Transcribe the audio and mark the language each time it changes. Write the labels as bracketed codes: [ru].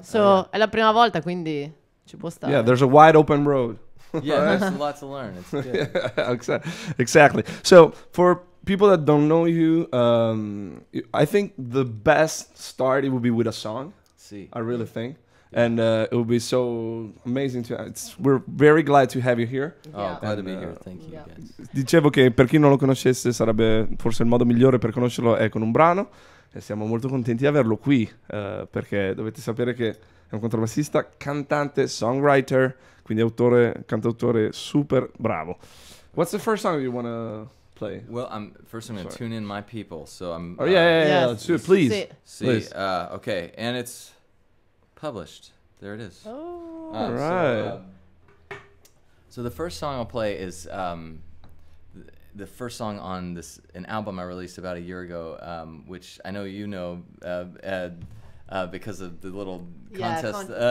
[it] So è la prima volta, quindi ci può stare. [en] Yeah, there's a wide open road. Yeah, there's a lot to learn. It's good. Exactly. So, for people that don't know you, I think the best start it would be with a song. See. I really think. Yeah. And it would be so amazing to. We're very glad to have you here. Yeah. Oh, glad to be here. Thank you. Yeah. Yes. [it] Dicevo che per chi non lo conoscesse, sarebbe forse il modo migliore per conoscerlo è con un brano. E siamo molto contenti di averlo qui, perché dovete sapere che è un contrabbassista, cantante, songwriter. Quindi autore, cantautore, super bravo. [en] What's the first song you want to play? Well, I'm going to tune in my people, so I'm... Oh, yeah. Yes. Please. See, okay, and it's published. There it is. Oh. All right. So the first song I'll play is the first song on this an album I released about a year ago, which I know you know, Ed, because of the little contest.